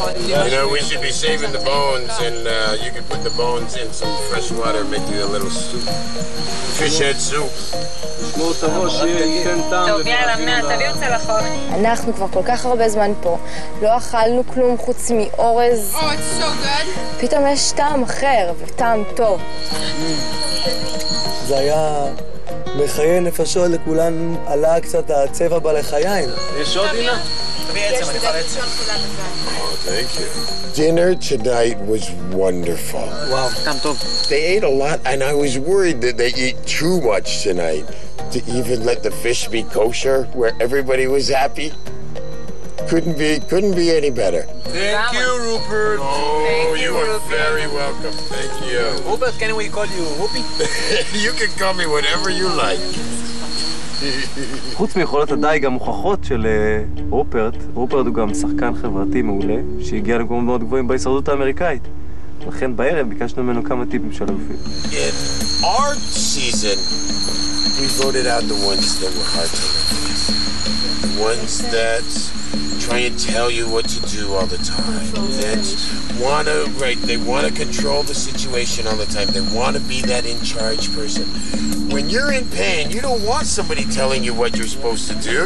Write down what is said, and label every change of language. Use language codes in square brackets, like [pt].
[en] You know, we should be saving the bones, and you could put the bones in some fresh water, make you a little soup. Fish head soup. [he] טוב, יאללה, מה, אתה לי יוצא לחוק? אנחנו כבר כל כך הרבה זמן פה, לא אכלנו כלום חוץ מאורז. [en] Oh, it's so good. [he] פתאום יש טעם אחר, וטעם טוב. זה היה בחיי נפשות, לכולן עלה קצת הצבע בלחיים. יש עוד אינה? [en] Dinner tonight was wonderful. Wow, they ate a lot, and I was worried that they eat too much tonight to even let the fish be kosher where everybody was happy. Couldn't be any better. Thank you, Rupert. Oh, thank you are very welcome. Thank you. Rupert, can we call you Whoopi? You can call me whatever you like. [he] חוץ מיכולות הדייג המוכחות של רופרט, רופרט הוא גם שחקן חברתי מעולה שהגיע למקומות מאוד גבוהים בהישרדות האמריקאית. לכן בערב ביקשנו ממנו כמה טיפים של אלופים. [en] In our season, we voted out the ones that were hard to refuse. Ones that try and tell you what to do all the time. That want to control the situation all the time. They want to be that in charge person. When you're in pain, you don't want somebody telling you what you're supposed to do.